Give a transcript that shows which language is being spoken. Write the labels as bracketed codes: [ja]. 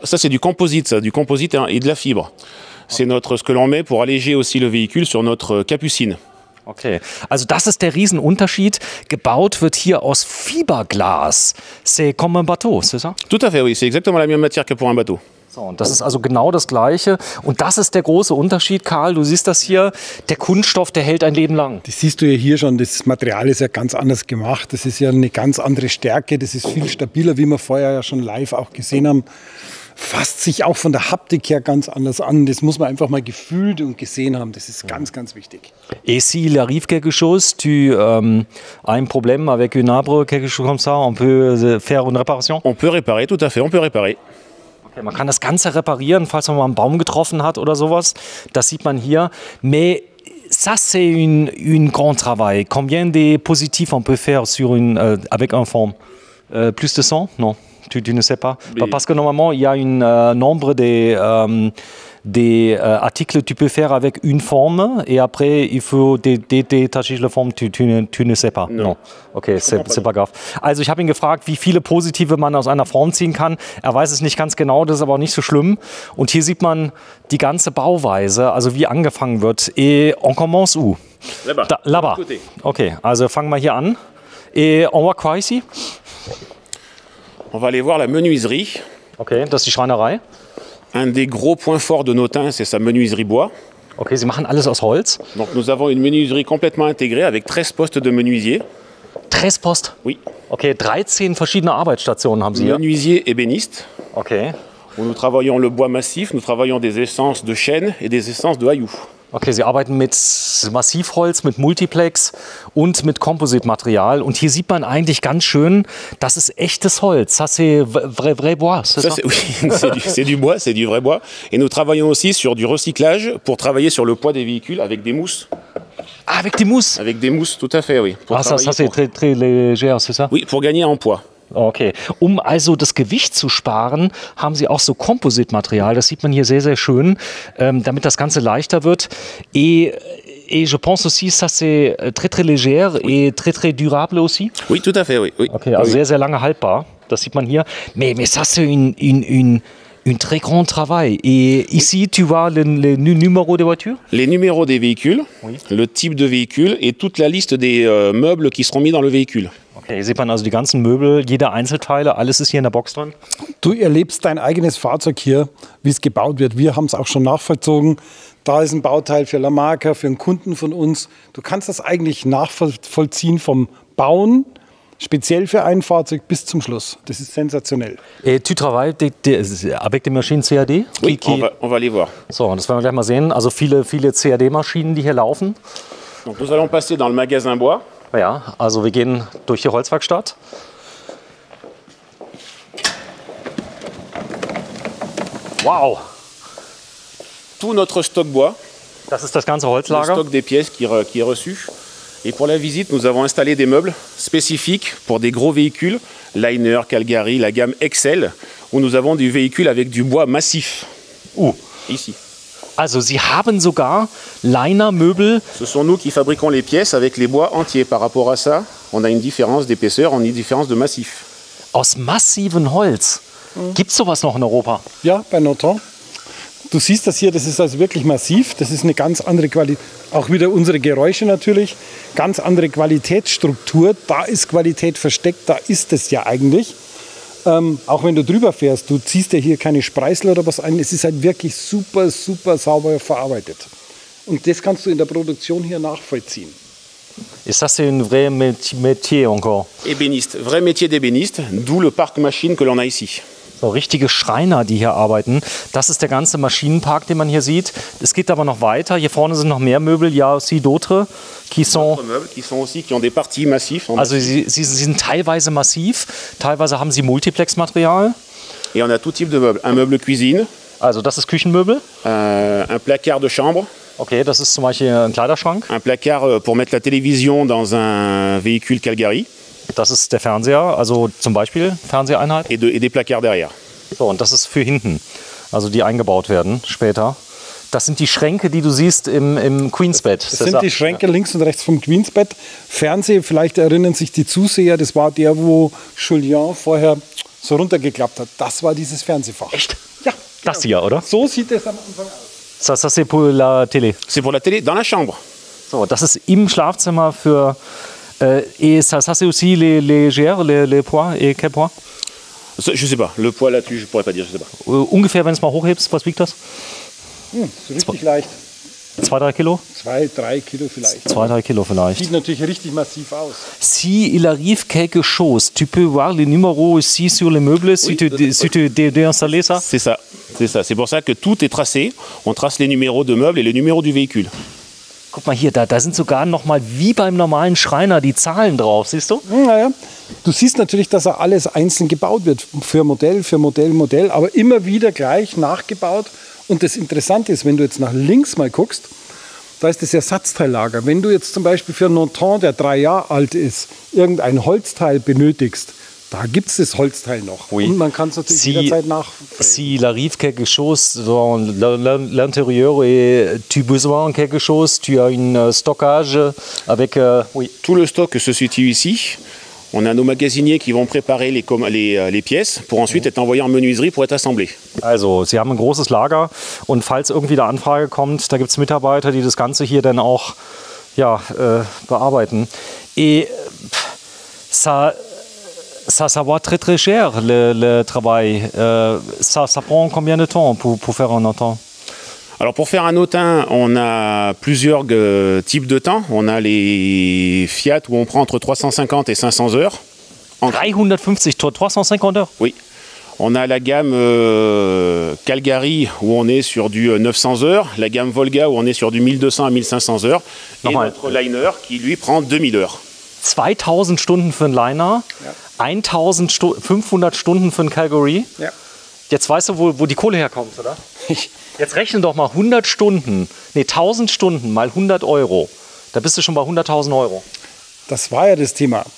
[fr] Ça c'est du composite, ça, du composite et de la fibre. C'est notre ce que l'on met pour alléger aussi le véhicule sur notre capucine. [de] Okay, also das ist der Riesenunterschied. Gebaut wird hier aus Fiberglas. [fr] C'est comme un bateau, c'est ça? Tout à fait, oui. C'est exactement la même matière que pour un bateau. [de] So, und das ist also genau das Gleiche. Und das ist der große Unterschied, Karl. Du siehst das hier. Der Kunststoff, der hält ein Leben lang. Das siehst du ja hier schon. Das Material ist ja ganz anders gemacht. Das ist ja eine ganz andere Stärke. Das ist viel stabiler, wie wir vorher ja schon live auch gesehen haben. Fasst sich auch von der Haptik her ganz anders an. Das muss man einfach mal gefühlt und gesehen haben. Das ist ganz, ganz wichtig. [fr] Et si il arrive quelque chose, tu as un problème avec une arbre, quelque chose comme ça, on peut faire une réparation? On peut réparer, tout à fait, on peut réparer. [de] Okay, man kann das Ganze reparieren, falls man mal einen Baum getroffen hat oder sowas. Das sieht man hier. [fr] Mais ça, c'est un grand travail. Combien de positifs on peut faire sur une, avec une forme? Plus de 100? Non. Tu ne sais pas. Parce que normalement, il y a un nombre de, des articles tu peux faire avec une forme et après il faut détacher la forme, tu ne sais pas. Non. Okay, c'est pas grave. [de] Also ich habe ihn gefragt, wie viele positive man aus einer Form ziehen kann. Er weiß es nicht ganz genau, das ist aber auch nicht so schlimm. Und hier sieht man die ganze Bauweise, also wie angefangen wird. [fr] Et on commence où? Là-bas. [de] Okay, also fangen wir hier an. [fr] Et on va quoi ici? On va aller voir la menuiserie. [de] Okay, das ist die Schreinerei. [fr] Un des gros points forts de Notin, c'est sa menuiserie bois. [de] Okay, sie machen alles aus Holz. [fr] Donc nous avons une menuiserie complètement intégrée avec 13 postes de menuisier. 13 postes? Oui. [de] Okay, 13 verschiedene Arbeitsstationen haben sie hier. [fr] Menuisier ébéniste. Okay. Où nous travaillons le bois massif, nous travaillons des essences de chêne et des essences de hayou. [de] Okay, sie arbeiten mit Massivholz, mit Multiplex und mit Kompositmaterial. Und hier sieht man eigentlich ganz schön, das ist echtes Holz. [fr] Ça c'est vrai bois, c'est ça? Oui, c'est du bois, c'est du vrai bois. Et nous travaillons aussi sur du recyclage pour travailler sur le poids des véhicules avec des mousses. Ah, avec des mousses? Avec des mousses, tout à fait, oui. Pour ah, ça c'est très, très léger, c'est ça? Oui, pour gagner en poids. [de] Okay, um also das Gewicht zu sparen, haben sie auch so Kompositmaterial, das sieht man hier sehr, sehr schön, damit das Ganze leichter wird. [fr] Et je pense aussi, ça c'est très, très léger oui. Et très, très durable aussi. Oui, tout à fait, oui. Oui. Okay, also oui. [de] Sehr, sehr lange haltbar, das sieht man hier. [fr] Mais ça c'est une très grand travail. Et ici, tu vois le numéro de voiture? Les numéros des véhicules, oui. Le type de véhicule et toute la liste des meubles qui seront mis dans le véhicule. [de] Hier sieht man also die ganzen Möbel, jede Einzelteile, alles ist hier in der Box drin. Du erlebst dein eigenes Fahrzeug hier, wie es gebaut wird. Wir haben es auch schon nachvollzogen. Da ist ein Bauteil für La Marca, für einen Kunden von uns. Du kannst das eigentlich nachvollziehen vom Bauen, speziell für ein Fahrzeug, bis zum Schluss. Das ist sensationell. [fr] Tu travailles avec des machines CAD? Oui, on va les voir. [de] So, das werden wir gleich mal sehen. Also viele, viele CAD-Maschinen, die hier laufen. [fr] Donc, nous allons passer dans le magasin bois. [de] Ja, also wir gehen durch die Holzwerkstatt. Wow! [fr] Tout notre stock bois. [de] Das ist das ganze Holzlager. [fr] Le stock des pièces qui est reçu. Et pour la visite, nous avons installé des meubles spécifiques pour des gros véhicules, Liner, Calgary, la gamme Excel, où nous avons du véhicule avec du bois massif. Où? Ici. [de] Also, Sie haben sogar Liner-Möbel. [fr] Ce sont nous qui fabriquons les pièces avec les bois entiers. Par rapport à ça, on a une différence d'épaisseur, on a une différence de massif. [de] Aus massivem Holz. Gibt's sowas noch in Europa? Ja, bei Notin. Du siehst das hier, das ist also wirklich massiv. Das ist eine ganz andere Qualität. Auch wieder unsere Geräusche natürlich. Ganz andere Qualitätsstruktur. Da ist Qualität versteckt, da ist es ja eigentlich. Auch wenn du drüber fährst, du ziehst ja hier keine Spreißel oder was ein. Es ist halt wirklich super, super sauber verarbeitet. Und das kannst du in der Produktion hier nachvollziehen. [fr] Et ça, c'est un vrai métier encore. Ébéniste. Vrai métier d'ébéniste, d'où le parc machine que l'on a ici. [de] So, richtige Schreiner, die hier arbeiten. Das ist der ganze Maschinenpark, den man hier sieht. Es geht aber noch weiter. Hier vorne sind noch mehr Möbel. [fr] Ja, aussi d'autres, qui sont... D'autres Möbel, qui sont aussi, qui ont des parties massives. [de] Also, sie sind teilweise massiv. Teilweise haben sie Multiplex-Material. [fr] Et on a tout type de meubles. Un meuble cuisine. [de] Also, das ist Küchenmöbel. [fr] Un placard de chambre. [de] Okay, das ist zum Beispiel ein Kleiderschrank. [fr] Un placard pour mettre la télévision dans un véhicule Calgary. [de] Das ist der Fernseher, also zum Beispiel Fernseheinheit. Et des placards derrière. So, und das ist für hinten, also die eingebaut werden später. Das sind die Schränke, die du siehst im Queensbett. Das sind die Schränke links und rechts vom Queensbett. Fernseher, vielleicht erinnern sich die Zuseher, das war der, wo Julien vorher so runtergeklappt hat. Das war dieses Fernsehfach. Echt? Ja. Das genau. Hier, oder? So sieht es am Anfang aus. [fr] Ça, c'est pour la télé. C'est pour la télé, dans la chambre. [de] So, das ist im Schlafzimmer für... [fr] Et ça c'est aussi les gères, les poids, et quel poids? Ça, je sais pas, le poids là-dessus, je pourrais pas dire, je sais pas. [de] Ungefähr, wenn du es mal hochhebst, was wiegt das? So richtig leicht. 2-3 Kilo? 2-3 Kilo vielleicht. 2-3 Kilo vielleicht. Sieht natürlich richtig massiv aus. [fr] Si il arrive quelque chose, tu peux voir le numéro ici sur les meubles, si tu déinstalles ça? C'est ça, c'est pour ça que tout est tracé, on trace les numéros de meubles et les numéros du véhicule. [de] Guck mal hier, da sind sogar nochmal wie beim normalen Schreiner die Zahlen drauf, siehst du? Naja, du siehst natürlich, dass er alles einzeln gebaut wird, für Modell, Modell, aber immer wieder gleich nachgebaut. Und das Interessante ist, wenn du jetzt nach links mal guckst, da ist das Ersatzteillager. Wenn du jetzt zum Beispiel für einen Notant, der 3 Jahre alt ist, irgendein Holzteil benötigst, Da gibt es das Holzteil noch. [fr] Oui. [de] Und man kann es natürlich si, jederzeit nach. [fr] Si la rive quelque chose dans l'intérieur et tu besoin quelque chose, tu as une stockage avec. Oui. Tout le stock se situe ici. On a nos magasiniers qui vont préparer les pièces pour ensuite être envoyés en menuiserie pour être assemblés. Also, Sie haben ein großes Lager und falls irgendwie eine Anfrage kommt, da gibt es Mitarbeiter, die das Ganze hier dann auch bearbeiten. Et ça va très très cher le travail. Ça prend combien de temps pour faire un hautain? Alors pour faire un hautain, on a plusieurs types de temps. On a les Fiat où on prend entre 350 et 500 heures. 350 heures. Oui. On a la gamme Calgary où on est sur du 900 heures, la gamme Volga où on est sur du 1200 à 1500 heures et notre liner qui lui prend 2000 heures. [de] 2000 Stunden für einen Liner, ja. 1500 Stunden für einen Calgary. Ja. Jetzt weißt du, wo die Kohle herkommt, oder? Jetzt rechne doch mal 1000 Stunden mal 100 Euro. Da bist du schon bei 100.000 Euro. Das war ja das Thema.